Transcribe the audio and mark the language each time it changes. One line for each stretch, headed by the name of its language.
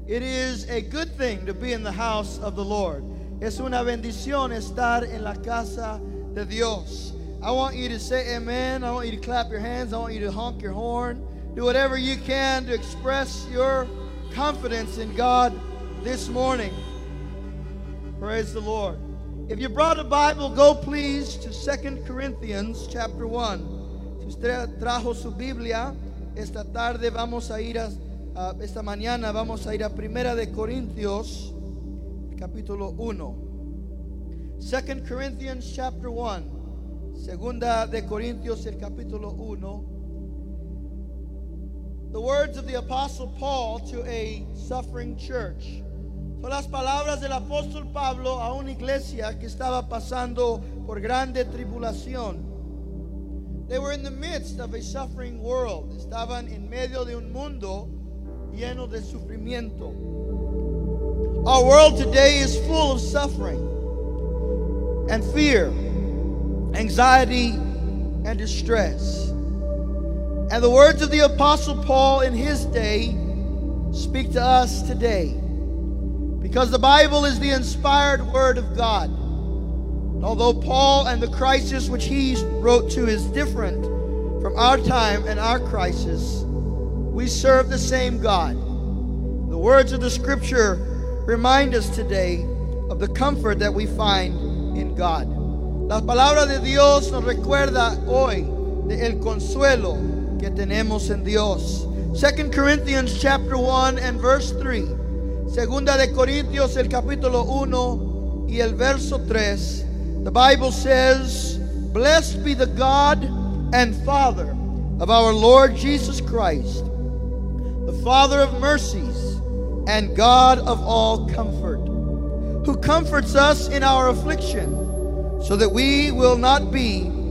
English: It is a good thing to be in the house of the Lord.
Spanish: Es una bendición estar en la casa de Dios.
English: I want you to say amen. I want you to clap your hands. I want you to honk your horn. Do whatever you can to express your confidence in God this morning. Praise the Lord. If you brought a Bible, go please to 2 Corinthians chapter 1.
Spanish: Si usted trajo su Biblia, esta tarde vamos a ir a, esta mañana vamos a ir a 1 de Corintios, capítulo 1.
English: 2 Corinthians chapter 1.
Spanish: Segunda de Corintios, el capítulo 1.
English: The words of the Apostle Paul to a suffering church.
Spanish: Son las palabras del apóstol Pablo a una iglesia que estaba pasando por grande tribulación.
English: They were in the midst of a suffering world.
Spanish: Estaban en medio de un mundo lleno de sufrimiento.
English: Our world today is full of suffering and fear, anxiety and distress. And the words of the apostle Paul in his day speak to us today. Because the Bible is the inspired word of God. And although Paul and the crisis which he wrote to is different from our time and our crisis, we serve the same God. The words of the scripture remind us today of the comfort that we find in God.
Spanish: La palabra de Dios nos recuerda hoy de el consuelo que tenemos en Dios.
English: 2 Corinthians chapter 1 and verse 3.
Spanish: Segunda de Corintios, el capítulo 1 y el verso 3,
English: the Bible says, "Blessed be the God and Father of our Lord Jesus Christ, the Father of mercies and God of all comfort, who comforts us in our affliction, so that we will not be,